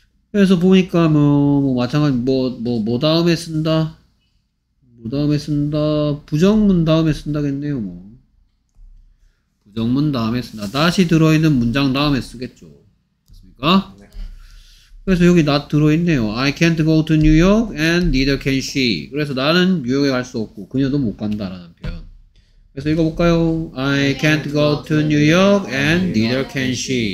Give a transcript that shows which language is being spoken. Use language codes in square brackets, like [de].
[ko] 그래서 보니까 뭐 마찬가지 뭐 다음에 쓴다. 뭐 다음에 쓴다. 부정문 다음에 쓴다겠네요. 뭐 부정문 다음에 쓴다. 다시 들어있는 문장 다음에 쓰겠죠. 그렇습니까? 그래서 여기 not 들어있네요. [en] I can't go to New York and neither can she. [ko] 그래서 나는 뉴욕에 갈 수 없고 그녀도 못 간다라는 표현. 그래서 읽어볼까요? [en] I can't go to New York and neither can she.